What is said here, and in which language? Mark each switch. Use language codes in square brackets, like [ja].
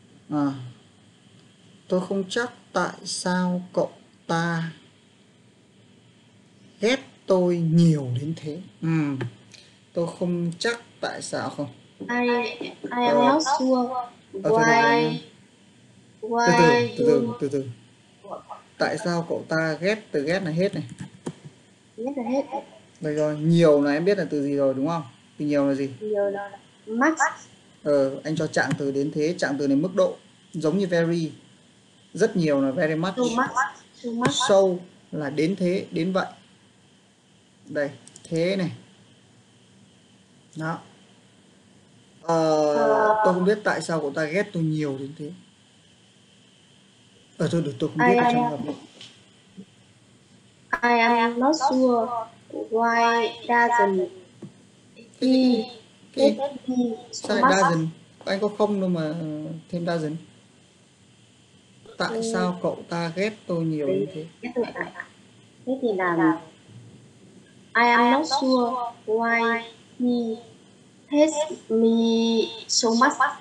[en] I don't know which he will marry. [vi] Tôi không chắc tại sao cậu ta ghét tôi nhiều đến thế. Tôi không chắc tại sao không. [en] I am not sure why. [vi] Từ từ, từ từ, từ từ. tại sao cậu ta ghét, từ ghét là hết này. Ghét là hết. Vậy rồi, nhiều là em biết là từ gì rồi đúng không? Từ nhiều là gì? Nhiều là much. Ờ, anh cho trạng từ đến thế, trạng từ này mức độ, giống như very, rất nhiều là very much. [en] Too much, too much. [vi] So là đến thế, đến vậy. Đây, thế này. Đó. Ờ, tôi không biết tại sao cậu ta ghét tôi nhiều đến thế. Ờ, thôi được, tôi không biết trong trường hợp [en] này. I am not sure why doesn't he [vi] cái sai dozen, anh có không đâu mà thêm dozen. Tại sao cậu ta ghét tôi nhiều như thế? Thế thì là [en] I am not sure why he hates me so much.